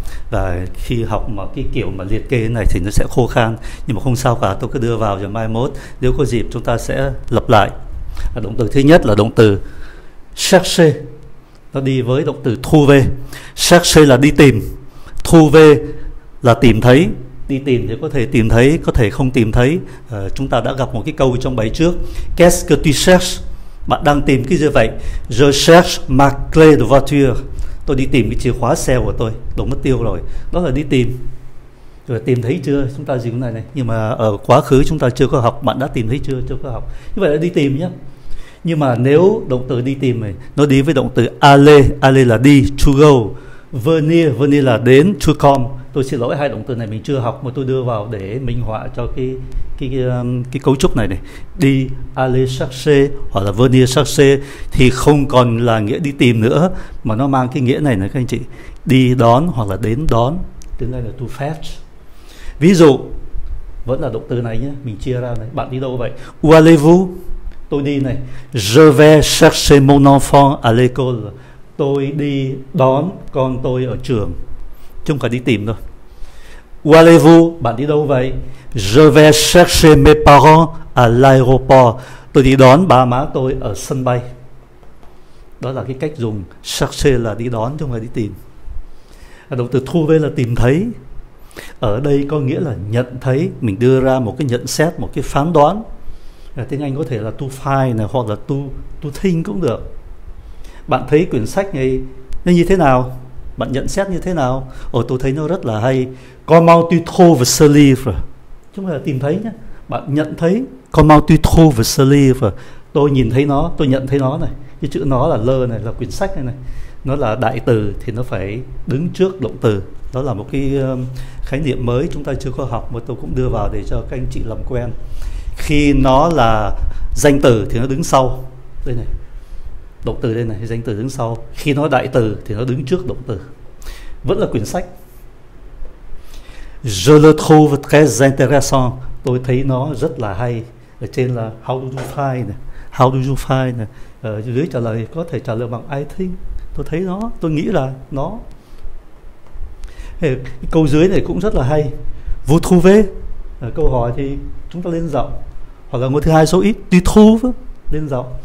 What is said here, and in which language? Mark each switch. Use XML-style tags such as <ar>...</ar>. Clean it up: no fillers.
<vi>Và khi học mà cái kiểu mà liệt kê này thì nó sẽ khô khan, nhưng mà không sao cả, tôi cứ đưa vào rồi mai mốt nếu có dịp chúng ta sẽ lập lại. Động từ thứ nhất là động từ chercher. Nó đi với động từ trouver. Chercher là đi tìm. Trouver là tìm thấy. Đi tìm thì có thể tìm thấy, có thể không tìm thấy. Chúng ta đã gặp một cái câu trong bài trước.</vi> <fr>Qu'est-ce que tu cherches?</fr> <vi>Bạn đang tìm cái gì vậy?</vi> <fr>Je cherche ma clé de voiture.</fr> <vi>Tôi đi tìm cái chìa khóa xe của tôi. Đồ mất tiêu rồi. Đó là đi tìm. Rồi tìm thấy chưa? Chúng ta dùng này này. Nhưng mà ở quá khứ chúng ta chưa có học. Bạn đã tìm thấy chưa? Chưa có học. Như vậy là đi tìm nhé. Nhưng mà nếu động từ đi tìm này, nó đi với động từ aller. Aller là đi.</vi> <en>To go.</en> <vi>Venir. Venir là đến.</vi> <en>To come.</en> <vi>Tôi xin lỗi, hai động từ này mình chưa học mà tôi đưa vào để minh họa cho cái cấu trúc này này. Đi</vi> <fr>aller chercher</fr> <vi>hoặc là</vi> <fr>venir chercher</fr> <vi>thì không còn là nghĩa đi tìm nữa, mà nó mang cái nghĩa này này các anh chị: đi đón hoặc là đến đón. Tiếng Anh là to fetch. Ví dụ vẫn là động từ này nhé, mình chia ra này. Bạn đi đâu vậy?</vi> <fr>Où allez-vous?</fr> <vi>Tôi đi này.</vi> <fr>Je vais chercher mon enfant à l'école.</fr> <vi>Tôi đi đón con tôi ở trường. Chúng phải đi tìm thôi.</vi> <fr>Où allez-vous?</fr> <vi>Bạn đi đâu vậy?</vi> <fr>Je vais chercher mes parents à l'aéroport.</fr> <vi>Tôi đi đón ba má tôi ở sân bay. Đó là cái cách dùng. Chercher là đi đón, chứ không phải đi tìm. Động từ trouver là tìm thấy. Ở đây có nghĩa là nhận thấy. Mình đưa ra một cái nhận xét, một cái phán đoán. Tiếng Anh có thể là to find này, hoặc là to think cũng được. Bạn thấy quyển sách này nó như thế nào? Bạn nhận xét như thế nào? Ồ, tôi thấy nó rất là hay.</vi> <fr>Comment tu trouves ce livre?</fr> <vi>Chứ không phải là tìm thấy nhé. Bạn nhận thấy.</vi> <fr>Comment tu trouves ce livre?</fr> <vi>Tôi nhìn thấy nó, tôi nhận thấy nó này. Cái chữ nó là le này, là quyển sách này này. Nó là đại từ thì nó phải đứng trước động từ. Đó là một cái khái niệm mới chúng ta chưa có học, mà tôi cũng đưa vào để cho các anh chị làm quen. Khi nó là danh từ thì nó đứng sau. Đây này. Động từ đây này, danh từ đứng sau. Khi nó đại từ thì nó đứng trước động từ. Vẫn là quyển sách.</vi> <fr>Je le trouve très intéressant.</fr> <vi>Tôi thấy nó rất là hay. Ở trên là</vi> <en>how do you find</en> <vi>này. How do you find này. Dưới trả lời có thể trả lời bằng</vi> <en>I think.</en> <vi>Tôi thấy nó, tôi nghĩ là nó. Câu dưới này cũng rất là hay.</vi> <fr>Vous trouvez.</fr> <vi>Câu hỏi thì chúng ta lên giọng. Hoặc là ngôi thứ hai số ít.</vi> <fr>Tu trouves.</fr> <vi>Lên giọng.</vi>